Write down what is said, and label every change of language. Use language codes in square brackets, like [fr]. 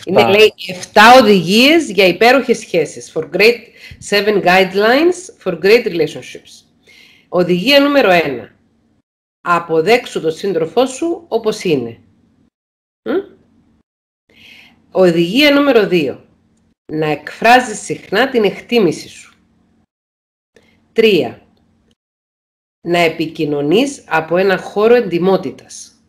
[el] Είναι, λέει, 7 οδηγίες για υπέροχες σχέσεις. [en] For great, 7 guidelines for great relationships. [el] Οδηγία νούμερο 1. Αποδέξου τον σύντροφό σου όπως είναι. Οδηγία νούμερο 2. Να εκφράζεις συχνά την εκτίμησή σου. 3. Να επικοινωνείς από ένα χώρο εντιμότητας.